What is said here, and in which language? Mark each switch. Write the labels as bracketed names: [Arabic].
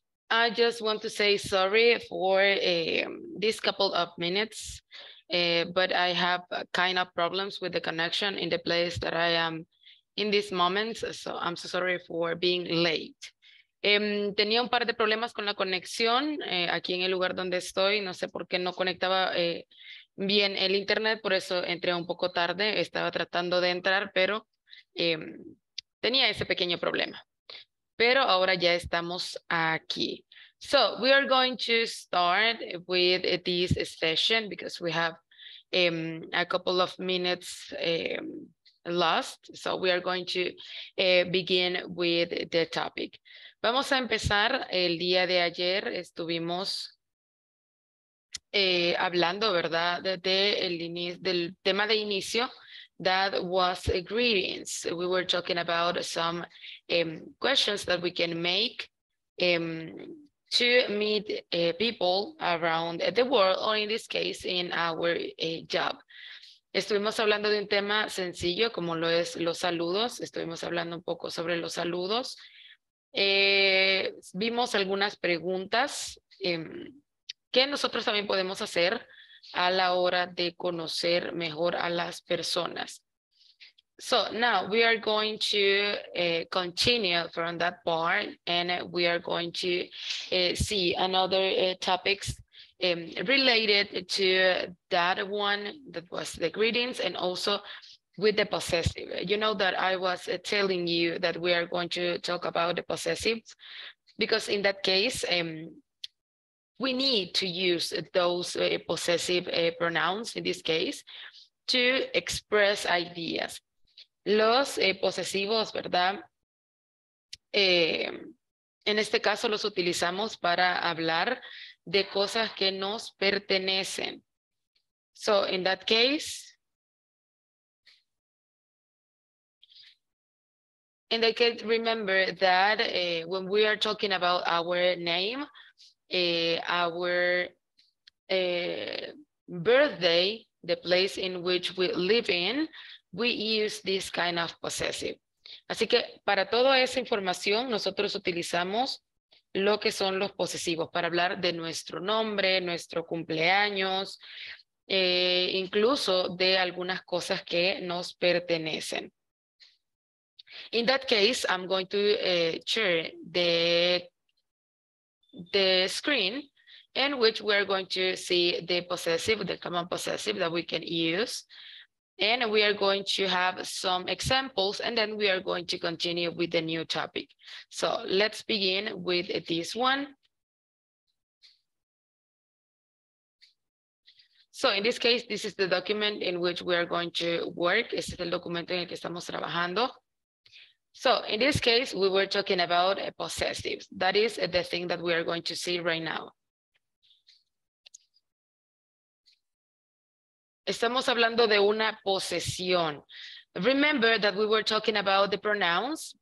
[English] I just want to say sorry for this couple of minutes, but I have kind of problems with the connection in the place that I am in this moment, so I'm so sorry for being late. [Spanish] Tenía un par de problemas con la conexión aquí en el lugar donde estoy. No sé por qué no conectaba bien el internet, por eso entré un poco tarde. Estaba tratando de entrar, pero tenía ese pequeño problema. Pero ahora ya estamos aquí. [English] So we are going to start with this session because we have a couple of minutes lost. So we are going to begin with the topic. [Spanish] Vamos a empezar. El día de ayer estuvimos hablando, ¿verdad?, del tema de inicio. [English] That was greetings. We were talking about some questions that we can make to meet people around the world, or in this case, in our job. [Spanish] Estuvimos hablando de un tema sencillo, como lo es los saludos. Estuvimos hablando un poco sobre los saludos. Vimos algunas preguntas que nosotros también podemos hacer a la hora de conocer mejor a las personas. [English] So now we are going to continue from that part, and we are going to see another topics related to that one that was the greetings, and also with the possessive. You know that I was telling you that we are going to talk about the possessives, because in that case, we need to use those possessive pronouns, in this case, to express ideas. [Spanish] Los posesivos, ¿verdad? En este caso los utilizamos para hablar de cosas que nos pertenecen. [English] So, in that case, and I can remember that when we are talking about our name, our birthday, the place in which we live in, we use this kind of possessive. [Spanish] Así que para toda esa información, nosotros utilizamos lo que son los posesivos para hablar de nuestro nombre, nuestro cumpleaños, incluso de algunas cosas que nos pertenecen. [English] In that case, I'm going to share the screen in which we're going to see the possessive, the common possessive that we can use. And we are going to have some examples, and then we are going to continue with the new topic. So let's begin with this one. So in this case, this is the document in which we are going to work. [Spanish] Es el documento en el que estamos trabajando. [English] So in this case, we were talking about possessives. That is the thing that we are going to see right now. [Spanish] Estamos hablando de una posesión. [English] Remember that we were talking about the pronouns.